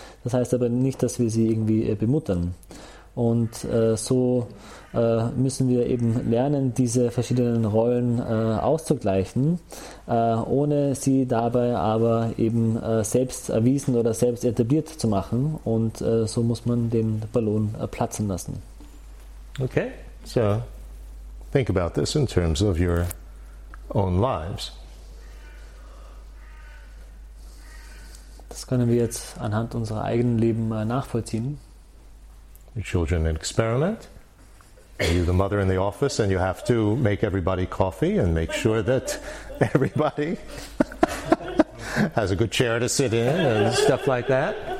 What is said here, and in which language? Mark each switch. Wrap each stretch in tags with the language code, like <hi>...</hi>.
<de>Das heißt aber nicht, dass wir sie irgendwie bemuttern. Und so müssen wir eben lernen, diese verschiedenen Rollen auszugleichen, ohne sie dabei aber eben selbst erwiesen oder selbst etabliert zu machen. Und so muss man den Ballon platzen lassen.</de> <en>Okay, so think about this in terms of your own lives.</en> <de>Das können wir jetzt anhand unserer eigenen Leben nachvollziehen.</de> <en>Your children an experiment. Are you the mother in the office and you have to make everybody coffee and make sure that everybody has a good chair to sit in and stuff like that?</en>